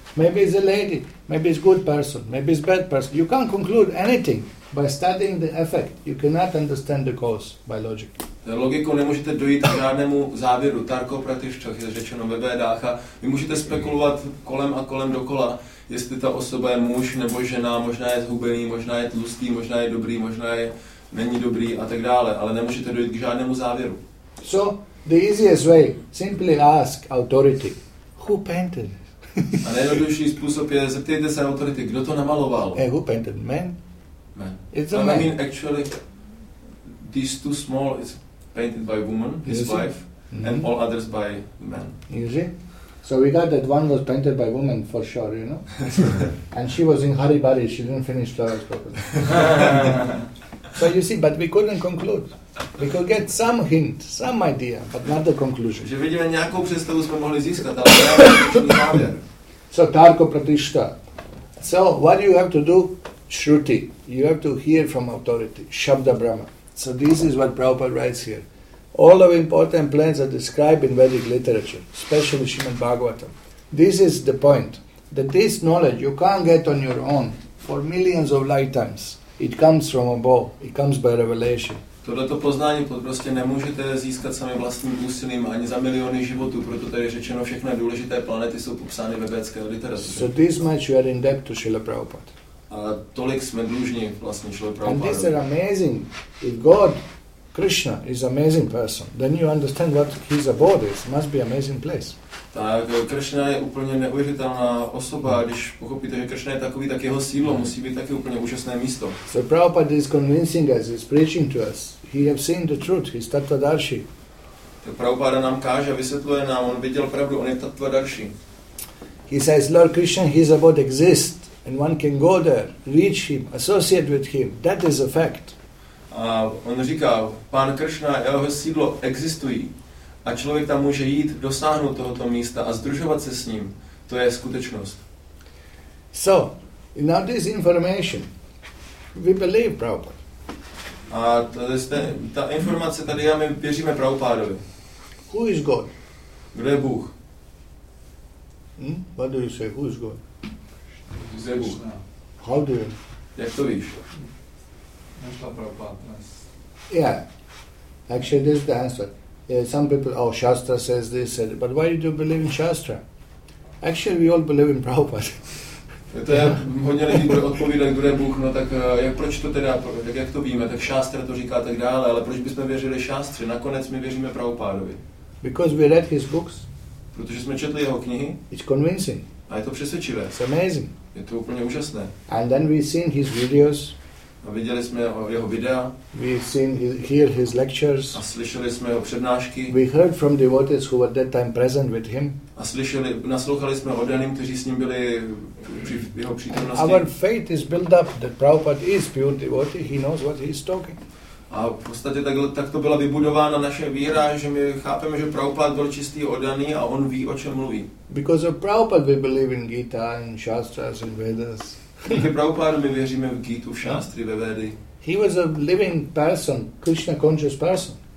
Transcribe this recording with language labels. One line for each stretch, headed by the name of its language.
English: Maybe it's a lady, maybe it's a good person, maybe it's a bad person. You can't conclude anything by studying the effect. You cannot understand the cause by logic.
Czech: Logikou nemůžete dojít k žádnému závěru.
Sanskrit: Tarko pratišťo,
Czech: je řečeno ve Vedách. Vy můžete spekulovat kolem a kolem dokola, jestli ta osoba je muž nebo žena, možná je zhubený, možná je tlustý, možná je dobrý, možná je není dobrý a tak dále. Ale nemůžete dojít k žádnému závěru.
English: So, the easiest way, simply ask authority, who painted it?
Czech: A nejjednodušší způsob je, zeptejte se autority, kdo to namaloval?
English: Hey, who painted? Man? Man. It's a man. I mean, actually, these two small is painted by woman, his wife, and all others by men. You see? So we got that one was painted by woman for sure, you know? And she was in Haribari, she didn't finish flowers properly. So you see, but we couldn't conclude. We could get some hint, some idea, but not the conclusion.
Czech: Že vidíme nějakou představu, jsme mohli získat, ale nějaký závěr.
English: So
Sanskrit: tarko pratishta.
English: So what do you have to do? Shruti. You have to hear from authority. Shabda Brahma. So this is what Prabhupada writes here. All of important plants are described in Vedic literature, especially Srimad Bhagavatam. This is the point, that this knowledge you can't get on your own for millions of lifetimes. It comes from above, it comes by revelation.
Czech: Toto poznání prostě nemůžete získat sami vlastním úsilím ani za miliony životů, proto tady řečeno všechny důležité planety jsou popsány ve vědecké literatuře.
English: So this much we are in debt to Srila Prabhupada.
Czech: A tolik jsme dlužní vlastně Srila Prabhupada.
English: And this is amazing. If God, Krishna, is amazing person, then you understand what his abode is. Must be amazing place.
Czech: Tak Krishna je úplně neuvěřitelná osoba, když pochopíte, že Krishna je takový, tak jeho sídlo musí být taky úplně úžasné místo.
English: So Prabhupada is convincing us, he's preaching to us. He has seen the truth, he's Tattva Darshi.
Czech: Tak Prabhupada nám káže a vysvětluje nám, on viděl pravdu, on je Tattva Darshi.
English: He says, Lord Krishna, his abode exists, and one can go there, reach him, associate with him. That is a fact.
Czech: A on říká, pán Krishna, jeho sídlo existují. A člověk tam může jít, dosáhnout tohoto místa a združovat se s ním. To je skutečnost.
English: So, now this information, we believe Prabhupada.
Czech: A jste, ta informace tady já, my věříme Prabhupádovi.
English: Who is God?
Czech: Kdo je Bůh?
English: What do you say, who is God?
Czech: Kdo je Bůh?
English: How do you?
Czech: Jak to víš? Našla Prabhupada.
English: Yeah, actually this is the answer. Yeah, some people, oh, Shastra says this, but why do you believe in Shastra? Actually, we all believe in Prabhupada.
Czech: To je, hodně lidí bude odpovídat, kdo je Bůh, no tak jak, proč to teda, tak jak to víme, tak Shastra to říká tak dále, ale proč bychom věřili Shastře? Nakonec my věříme Prabhupádovi.
English: Because we read his books.
Czech: Protože jsme četli jeho knihy.
English: It's convincing.
Czech: A je to přesvědčivé.
English: It's amazing.
Czech: Je to úplně úžasné.
English: And then we've seen his videos.
Czech: A viděli jsme jeho videa.
English: We've seen hear his lectures.
Czech: A slyšeli jsme jeho přednášky.
English: We heard from devotees who were that time present with him.
Czech: A slyšeli, naslouchali jsme oddaným, kteří s ním byli při jeho přítomnosti.
English: Our faith is built up that Prabhupada is pure devotee. He knows what he's talking.
Czech: A v podstatě tak to byla vybudována naše víra, že my chápeme, že Prabhupada byl čistý oddaný a on ví, o čem mluví.
English: Because of Prabhupada we believe in Gita and Shastras and Vedas.
Czech: Díky Prabhupádu my věříme v Gitu, v Šástry, ve Védy.
English: He was a living person, Krishna conscious person.